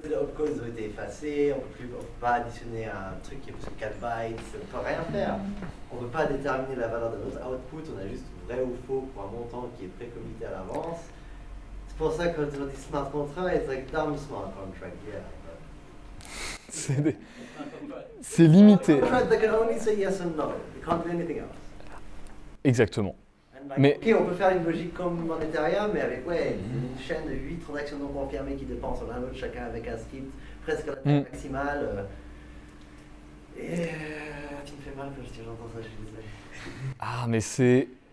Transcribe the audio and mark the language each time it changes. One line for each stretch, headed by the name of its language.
French: Les opcodes ont été effacés, on ne peut pas additionner un truc qui est 4 bytes, on ne peut rien faire. On ne peut pas déterminer la valeur de notre output, on a juste vrai ou faux pour un montant qui est pré-committé à l'avance. C'est pour ça que quand on dit smart contract, c'est
English: like dumb smart contract, yeah.
French: C'est, des... c'est limité.
English: Un contract that can only say yes or no, you can't do anything else.
French: Exactement. Like, mais... Ok, on peut faire une logique comme en Ethereum, mais avec ouais, une chaîne de 8 transactions non confirmées qui dépendent l'un l'autre, chacun avec un script presque à la taille maximale. Et tu me fais mal quand j'entends ça, je suis désolé. Ah, mais c'est.